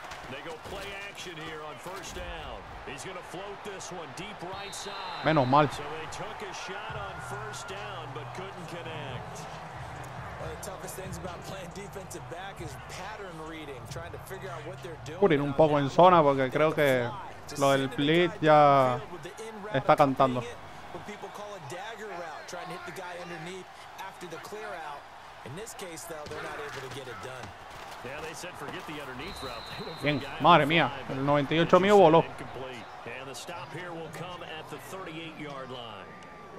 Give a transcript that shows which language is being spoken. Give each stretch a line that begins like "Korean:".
English: They go play action here on first down. He's going to float this one deep right side.
Spanish: Menos mal.
English: So they took a shot on first down but couldn't connect. One of the toughest things about playing defensive back is pattern reading, trying to figure out what they're doing.
Spanish: Putin un poco en zona porque creo que lo del blitz ya está cantando.
English: What people call a dagger route, trying to hit the guy underneath after the clear out. In this case, though, they're not able to get it done. Yeah, they said forget the underneath route.
Spanish: Bien, madre mía, el 98 mío voló.
English: And the stop here will come at the 38-yard line.